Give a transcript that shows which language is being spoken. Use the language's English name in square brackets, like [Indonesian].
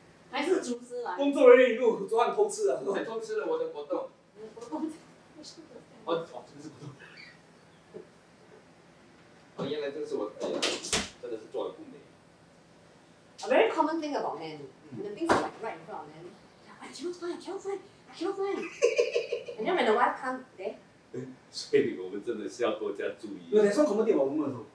[Chinese] 还是厨师来？工作人员入昨晚偷吃了，偷吃了我的果冻。我的果冻在。哦，真的是果冻。原来这是我，哎呀，真的是做了功德。 [English] A very common thing about men. And the things are like right in front of them. I cannot find. And then when the wife comes, there. [Chinese] 所以我们真的是要多加注意。有在上广播电话，我们说。